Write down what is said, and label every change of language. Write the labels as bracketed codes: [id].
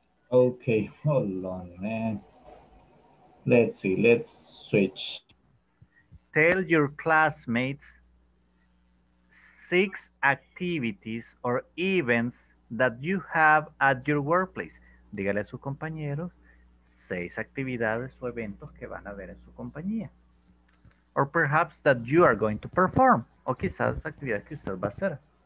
[en] Okay, hold on, man. Let's see, let's switch. Tell your classmates 6 activities or events that you have at your workplace. [es] Dígale a sus compañeros 6 actividades o eventos que van a ver en su compañía. [en] Or perhaps that you are going to perform. [es] O quizás actividad que usted va a hacer.